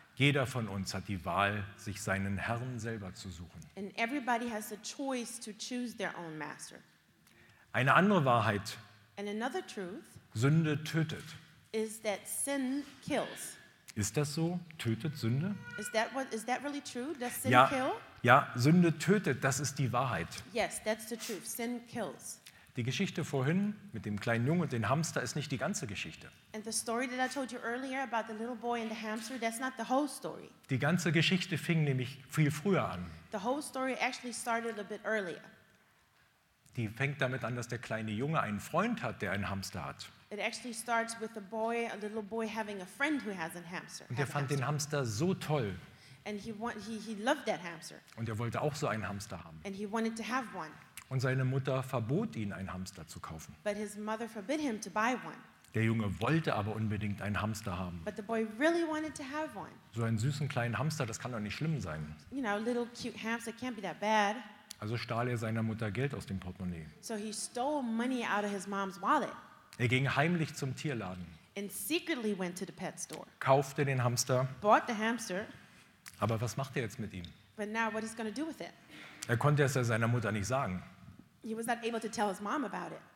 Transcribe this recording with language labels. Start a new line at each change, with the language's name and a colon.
German: Jeder von uns hat die Wahl, sich seinen Herrn selber zu suchen.
English: And everybody has the choice to choose their own master.
German: Eine andere Wahrheit.
English: And another truth.
German: Sünde tötet.
English: Is that sin kills.
German: Ist das so? Tötet Sünde?
English: Is that really true? Does sin kill?
German: Ja, Sünde tötet, das ist die Wahrheit.
English: Yes, that's the truth. Sin kills.
German: Die Geschichte vorhin mit dem kleinen Jungen und dem Hamster ist nicht die ganze Geschichte.
English: And the story that I told you earlier about the little boy and the hamster, that's not the whole story.
German: Die ganze Geschichte fing nämlich viel früher an.
English: The whole story actually started a bit earlier.
German: Die fängt damit an, dass der kleine Junge einen Freund hat, der einen Hamster hat.
English: It actually starts with a little boy having a friend who has a hamster.
German: Und er fand den Hamster so toll.
English: And he loved that hamster.
German: Und er wollte auch so einen Hamster haben.
English: And he wanted to have one.
German: Und seine Mutter verbot ihn, einen Hamster zu kaufen.
English: But his mother forbid him to buy one.
German: Der Junge wollte aber unbedingt einen Hamster haben.
English: But the boy really wanted to have one.
German: So einen süßen kleinen Hamster, das kann doch nicht schlimm sein.
English: You know, a little cute hamster can't be that bad.
German: Also stahl er seiner Mutter Geld aus dem Portemonnaie.
English: So he stole money out of his mom's wallet.
German: Er ging heimlich zum Tierladen.
English: And secretly went to the pet store.
German: Kaufte den Hamster.
English: Bought the hamster.
German: Aber was macht er jetzt mit ihm?
English: But now what is he going to do with it?
German: Er konnte es ja seiner Mutter nicht sagen.
English: He was not able to tell his mom about it.